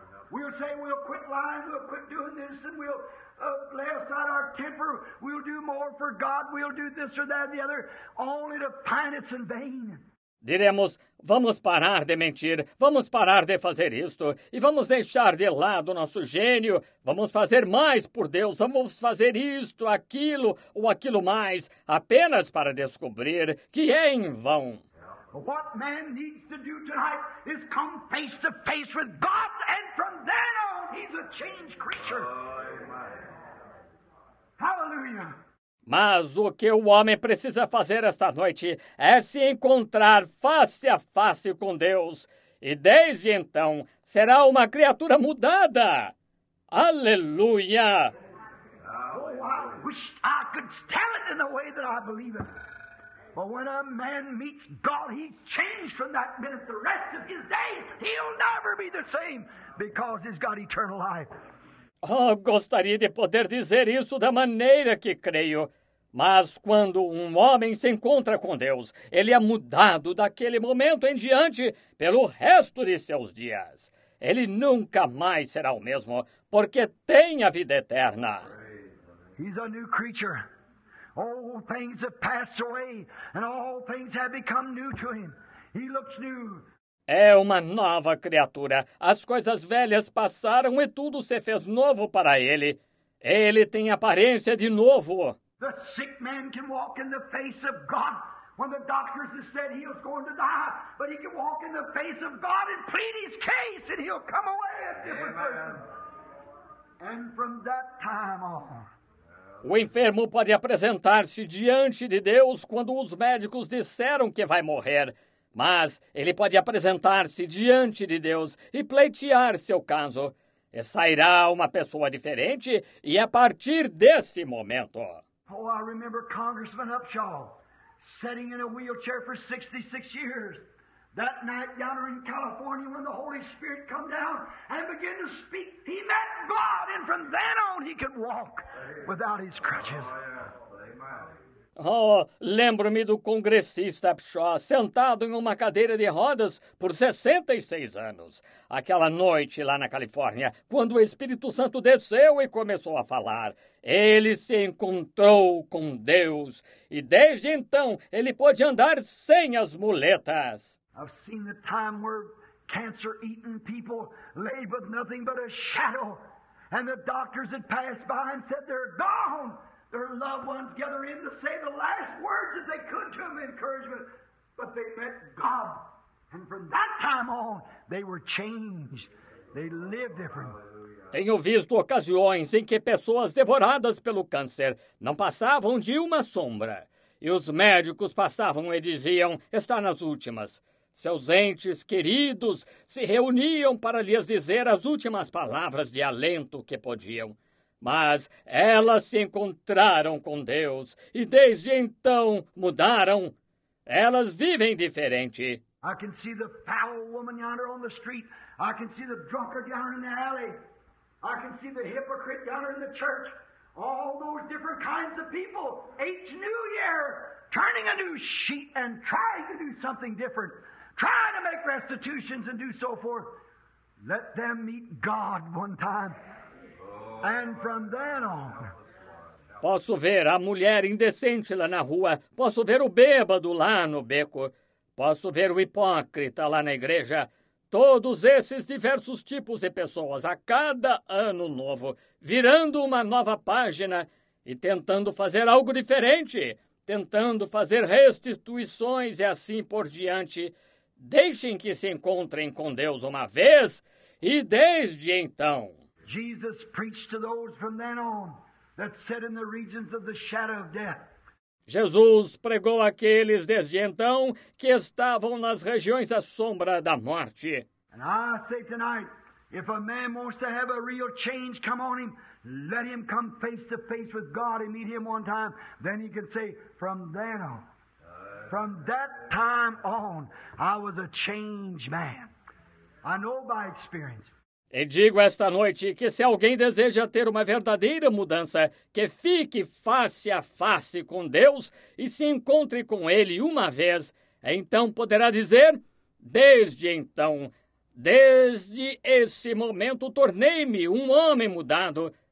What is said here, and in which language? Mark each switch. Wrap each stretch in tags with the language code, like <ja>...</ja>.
<en>We'll say we'll quit lying, we'll quit doing this, and we'll lay aside our temper, we'll do more for God, we'll do this or that or the other, only to find it's in vain.</en> <pt>Diremos, vamos parar de mentir, vamos parar de fazer isto, e vamos deixar de lado nosso gênio, vamos fazer mais por Deus, vamos fazer isto, aquilo ou aquilo mais, apenas para descobrir que é em vão.</pt> <en>What man needs to do tonight is come face to face with God, and from then on, he's a changed creature. Oh, hallelujah.</en> <pt>Mas o que o homem precisa fazer esta noite é se encontrar face a face com Deus, e desde então será uma criatura mudada. Aleluia.</pt> <en>Oh, I wish I could tell it in the way that I believe it. But when a man meets God, he's changed from that minute. The rest of his days, he'll never be the same, because he's got eternal life.</en> <pt>Oh, gostaria de poder dizer isso da maneira que creio. Mas quando um homem se encontra com Deus, ele é mudado daquele momento em diante pelo resto de seus dias. Ele nunca mais será o mesmo, porque tem a vida eterna.</pt> <en>He's a new creature. All things have passed away, and all things have become new to him. He looks new.</en> <pt>É uma nova criatura. As coisas velhas passaram e tudo se fez novo para ele. Ele tem aparência de novo.</pt> <en>The sick man can walk in the face of God when the doctors have said he was going to die, but he can walk in the face of God and plead his case, and he'll come away a different person. And from that time on,</en> <pt>o enfermo pode apresentar-se diante de Deus quando os médicos disseram que vai morrer, mas ele pode apresentar-se diante de Deus e pleitear seu caso. E sairá uma pessoa diferente, e a partir desse momento.</pt> <en>Oh, I remember Congressman Upshaw sitting in a wheelchair for 66 years. That night yonder in California, when the Holy Spirit come down and began to speak, he met God, and from then on he could walk without his crutches. Oh, yeah. Well,</en> <pt>Oh, lembro-me do congressista Upshaw, sentado em uma cadeira de rodas por 66 anos. Aquela noite lá na Califórnia, quando o Espírito Santo desceu e começou a falar, ele se encontrou com Deus. E desde então, ele pôde andar sem as muletas.</pt> <en>I've seen the time where cancer-eaten people lay with nothing but a shadow. And the doctors had passed by and said, they're gone. Their loved ones gather in to say the last words that they could to him, encouragement. But they met God. And from that time on, they were changed. They lived different.</en> <pt>Tenho visto ocasiões em que pessoas devoradas pelo câncer não passavam de uma sombra. E os médicos passavam e diziam, está nas últimas. Seus entes queridos se reuniam para lhes dizer as últimas palavras de alento que podiam. Mas elas se encontraram com Deus e desde então mudaram. Elas vivem diferente.</pt> <en>I can see the foul woman yonder on the street. I can see the drunkard yonder in the alley. I can see the hypocrite yonder in the church. All those different kinds of people. Each new year, turning a new sheet and trying to do something different. Trying to make restitutions and do so forth. Let them meet God one time. And from then on.</en> <pt>Posso ver a mulher indecente lá na rua. Posso ver o bêbado lá no beco. Posso ver o hipócrita lá na igreja. Todos esses diversos tipos de pessoas a cada ano novo, virando uma nova página e tentando fazer algo diferente, tentando fazer restituições e assim por diante. Deixem que se encontrem com Deus uma vez e desde então.</pt> <en>Jesus preached to those from then on that sat in the regions of the shadow of death.</en> <pt>Jesus pregou àqueles desde então que estavam nas regiões da sombra da morte.</pt> <en>And I say tonight, if a man wants to have a real change come on him, let him come face to face with God and meet him one time, then he can say, from then on. From that time on, I was a changed man. I know by experience.</en> <pt>E digo esta noite que se alguém deseja ter uma verdadeira mudança, que fique face a face com Deus e se encontre com Ele uma vez, então poderá dizer, desde então, desde esse momento, tornei-me um homem mudado.</pt>